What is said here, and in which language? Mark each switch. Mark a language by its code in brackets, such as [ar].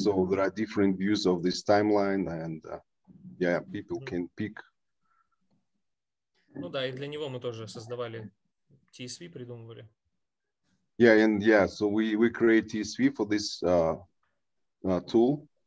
[en] So there are different views of this timeline, and people can pick. [ru] Ну да, и для него мы тоже создавали TSV, придумывали. [en] Yeah, and yeah, so we create TSV for this tool.